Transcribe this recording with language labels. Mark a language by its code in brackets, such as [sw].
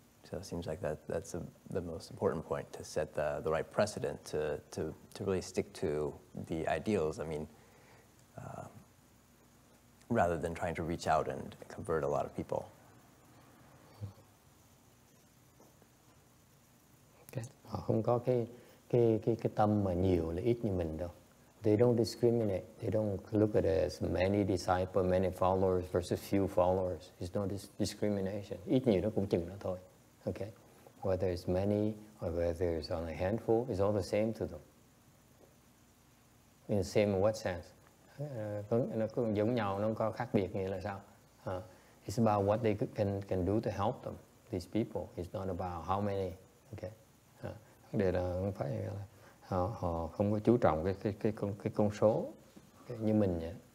[en] So it seems like that's the most important point, to set the right precedent to really stick to the ideals. I mean, rather than trying to reach out and convert a lot of people. Okay. [vi] Họ không có cái tâm mà nhiều là ít như mình đâu. [en] They don't discriminate. They don't look at it as many disciples, many followers versus few followers. It's no discrimination. [vi] Ít nhiều nó cũng chừng đó thôi. [en] Okay. Whether it's many or whether it's only a handful, it's all the same to them. In the same what sense? [vi] Nó cũng giống nhau, nó không có khác biệt, nghĩa là sao? [en] It's about what they can do to help them. these people. It's not about how many. Okay. [vi] Vấn đề là không phải là họ họ không có chú trọng cái con số như mình nhỉ.